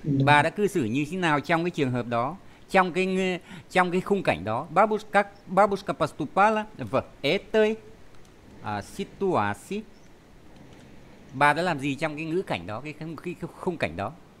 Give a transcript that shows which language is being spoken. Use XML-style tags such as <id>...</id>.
<vi>Bà đã cư xử như thế nào trong cái trường hợp đó, trong cái khung cảnh đó?</vi> <ru>Бабушка поступала в этой ситуации.</ru> <vi>Bà đã làm gì trong cái ngữ cảnh đó, cái khung cảnh đó?</vi>